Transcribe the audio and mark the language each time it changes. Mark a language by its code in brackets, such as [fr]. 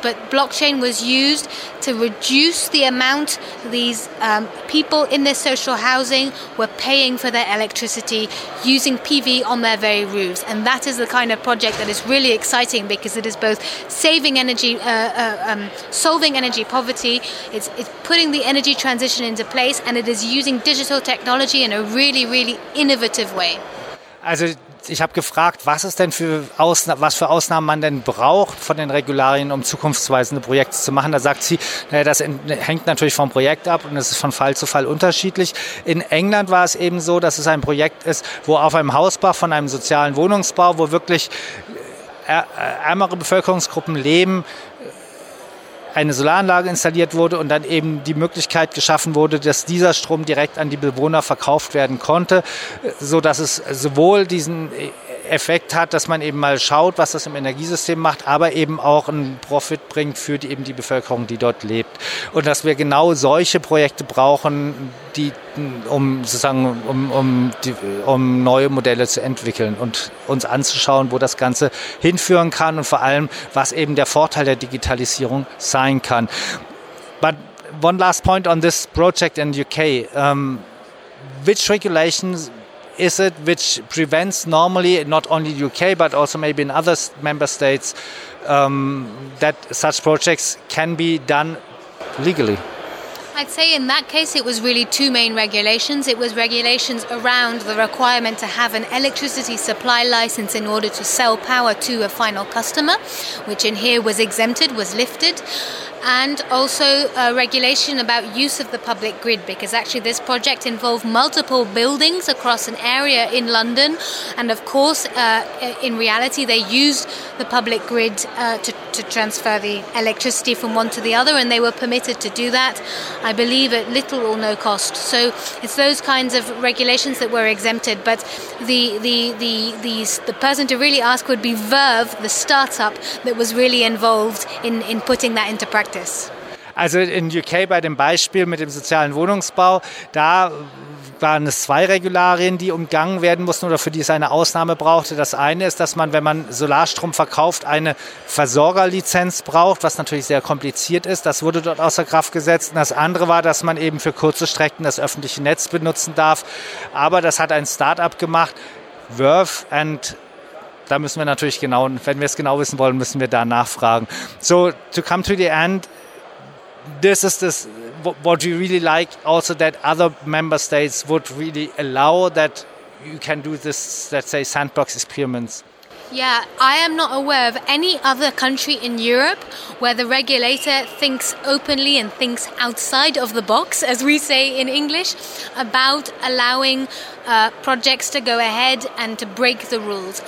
[en] But blockchain was used to reduce the amount these people in their social housing were paying for their electricity using PV on their very roofs. And that is the kind of project that is really exciting, because it is both saving energy, solving energy poverty, it's putting the energy transition into place, and it is using digital technology in a really, really innovative way. [de] Also ich habe gefragt, was es denn für was für Ausnahmen man denn braucht von den Regularien, um zukunftsweisende Projekte zu machen. Da sagt sie, naja, das hängt natürlich vom Projekt ab und es ist von Fall zu Fall unterschiedlich. In England war es eben so, dass es ein Projekt ist, wo auf einem Hausbau von einem sozialen Wohnungsbau, wo wirklich ärmere Bevölkerungsgruppen leben, eine Solaranlage installiert wurde und dann eben die Möglichkeit geschaffen wurde, dass dieser Strom direkt an die Bewohner verkauft werden konnte, sodass es sowohl diesen Effekt hat, dass man eben mal schaut, was das im Energiesystem macht, aber eben auch einen Profit bringt für die, eben die Bevölkerung, die dort lebt. Und dass wir genau solche Projekte brauchen, die, um sozusagen um neue Modelle zu entwickeln und uns anzuschauen, wo das Ganze hinführen kann und vor allem, was eben der Vorteil der Digitalisierung sein kann. [en] But one last point on this project in the UK. Which regulations is it which prevents normally, not only the UK, but also maybe in other member states, that such projects can be done legally? I'd say in that case it was really two main regulations. It was regulations around the requirement to have an electricity supply license in order to sell power to a final customer, which in here was exempted, was lifted. And also a regulation about use of the public grid, because actually this project involved multiple buildings across an area in London. And of course, in reality, they used the public grid to transfer the electricity from one to the other, and they were permitted to do that, I believe, at little or no cost. So it's those kinds of regulations that were exempted. But the person to really ask would be Verve, the startup that was really involved in putting that into practice. [de] Also in UK bei dem Beispiel mit dem sozialen Wohnungsbau, da waren es zwei Regularien, die umgangen werden mussten oder für die es eine Ausnahme brauchte. Das eine ist, dass man, wenn man Solarstrom verkauft, eine Versorgerlizenz braucht, was natürlich sehr kompliziert ist. Das wurde dort außer Kraft gesetzt. Und das andere war, dass man eben für kurze Strecken das öffentliche Netz benutzen darf. Aber das hat ein Start-up gemacht, Verve, and da müssen wir natürlich genau, wenn wir es genau wissen wollen, müssen wir da nachfragen. [en] So, to come to the end, this is this what we really like also, that other member states would really allow that you can do this, let's say, sandbox experiments. Yeah, I am not aware of any other country in Europe where the regulator thinks openly and thinks outside of the box, as we say in English, about allowing projects to go ahead and to break the rules.